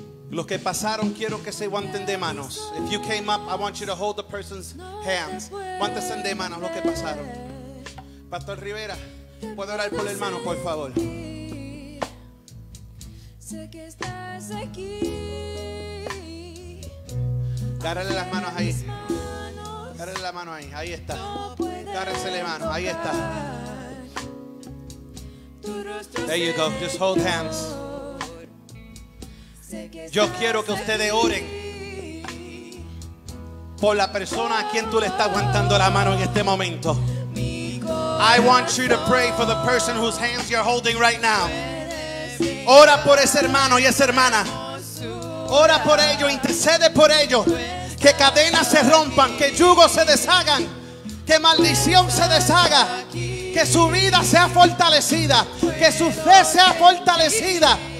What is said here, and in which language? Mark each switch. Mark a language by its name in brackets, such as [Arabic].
[Spanish] Los que pasaron, quiero que se aguanten de manos. [English] If you came up, I want you to hold the person's hands. [Spanish] Aguántense de manos los que pasaron. Pastor Rivera, ¿puedo orar por el hermano, por favor? Sé que estás aquí. Gárale las manos ahí. Gárale la mano ahí. Ahí está. Gárese la mano. Ahí está. [English] There you go. Just hold hands. [Spanish] Yo quiero que ustedes oren por la persona a quien tú le estás aguantando la mano en este momento. [English] I want you to pray for the person whose hands you're holding right now. [Spanish] Ora por ese hermano y esa hermana. Ora por ellos, intercede por ellos. Que cadenas se rompan, que yugos se deshagan, que maldición se deshaga, que su vida sea fortalecida, que su fe sea fortalecida.